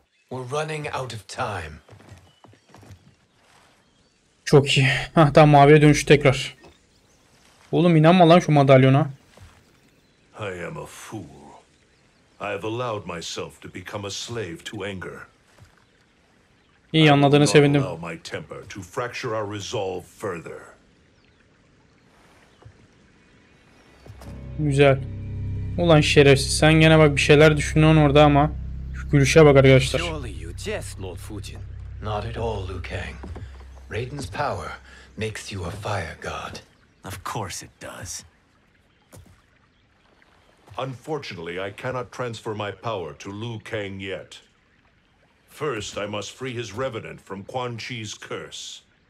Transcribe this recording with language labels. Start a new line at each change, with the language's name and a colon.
English: We're running out of time.
Turkish: Çok iyi. Hah, tamam, maviye dönüş tekrar. Oğlum inanma lan şu madalyona.
English: I am a fool. I have allowed myself to become a slave to anger.
Turkish: İyi anladığını sevindim.
English: Allow my temper to fracture our resolve further.
Turkish: Güzel. Ulan şerefsiz, sen gene bak bir şeyler düşünüyorsun orada ama. Şu gülüşe bak arkadaşlar.
English: Surely you jest, Lord Fujin. Not at all, Liu Kang. Raiden's power makes you a fire god. Of course it does. Unfortunately, I cannot transfer my power to Liu Kang yet. First, I must free his revenant from Quan Chi's curse.